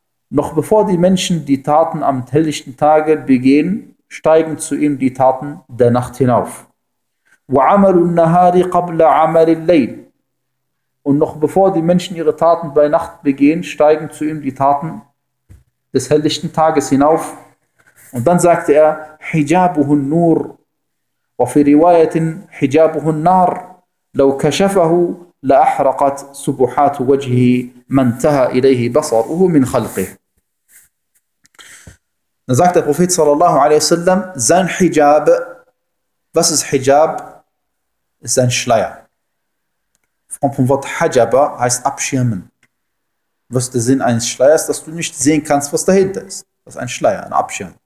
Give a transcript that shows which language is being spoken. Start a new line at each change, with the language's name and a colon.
German: Noch bevor die Menschen die Taten am helllichten Tage begehen, steigen zu ihnen die Taten der Nacht hinauf.
Arabic: وَعَمَلُ النَّهَارِ قَبْلَ عَمَلِ اللَّيْلِ.
German: Und noch bevor die Menschen ihre Taten bei Nacht begehen, steigen zu ihm die Taten des helllichten Tages hinauf. Und dann sagte er,
Arabic: حِجَابُهُ النُّورِ وَفِي رِوَايَةٍ حِجَابُهُ النَّارِ لَوْ كَشَفَهُ لَأَحْرَقَتْ سُبُحَاتُ وَجْهِ مَنْ تَهَا إِلَيْهِ بَصَرُهُ مِنْ خَلْقِهِ.
German: Dann sagt der Prophet sallallahu alaihi wasallam, sein Hijab, was ist Hijab? Ist sein Schleier. Und vom Wort Hajaba heißt abschirmen. Was ist der Sinn eines Schleiers? Dass du nicht sehen kannst, was dahinter ist. Das ist ein Schleier, ein Abschirm.